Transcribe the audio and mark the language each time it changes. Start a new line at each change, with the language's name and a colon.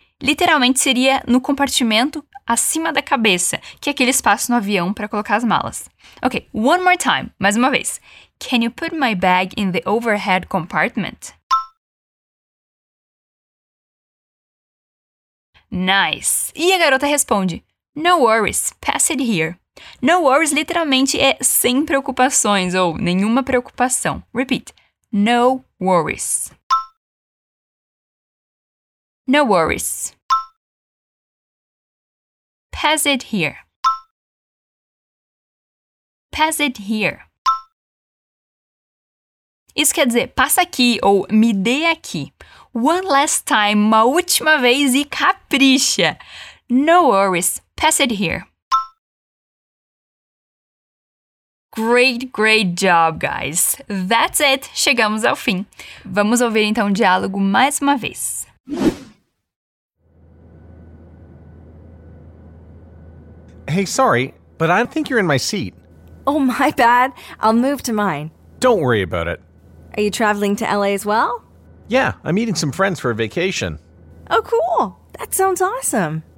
Portuguese: Literalmente seria no compartimento acima da cabeça, que é aquele espaço no avião para colocar as malas.
English: Ok, one more time, mais uma vez. Can you put my bag in the overhead compartment? Nice. E a garota responde, no worries, pass it here.
Portuguese: No worries literalmente é sem preocupações ou nenhuma preocupação.
English: Repeat, no worries. No worries. Pass it here. Pass it here.
Portuguese: Isso quer dizer, passa aqui ou me dê aqui. One last time, uma última vez e capricha.
English: No worries. Pass it here. Great, great job, guys. That's it. Chegamos ao fim.
Portuguese: Vamos ouvir então o diálogo mais uma vez.
English: Hey, sorry, but I think you're in my seat. Oh, my bad. I'll move to mine. Don't worry about it. Are you traveling to LA as well? Yeah, I'm meeting some friends for a vacation. Oh, cool. That sounds awesome.